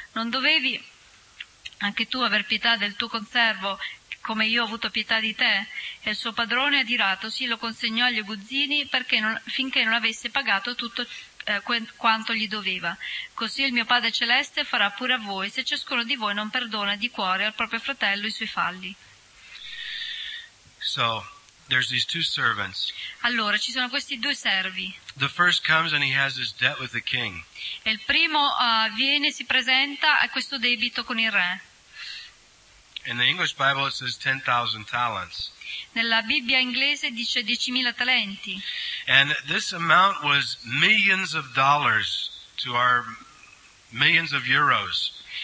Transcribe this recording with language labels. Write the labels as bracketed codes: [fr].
[it] Non dovevi anche tu aver pietà del tuo conservo come io ho avuto pietà di te? E il suo padrone, adiratosi, lo consegnò agli aguzzini finché non avesse pagato tutto quanto gli doveva. Così il mio Padre Celeste farà pure a voi se ciascuno di voi non perdona di cuore al proprio fratello i suoi falli. [en] So, there's these two servants. [it] Allora, ci sono questi due servi. [en] The first comes and he has his debt with the king. [it] E il primo viene e si presenta a questo debito con il re. [en] In the English Bible it says 10,000 talents. [it] Nella Bibbia inglese dice 10.000 talenti. [en] And this amount was millions of dollars to our millions of euros.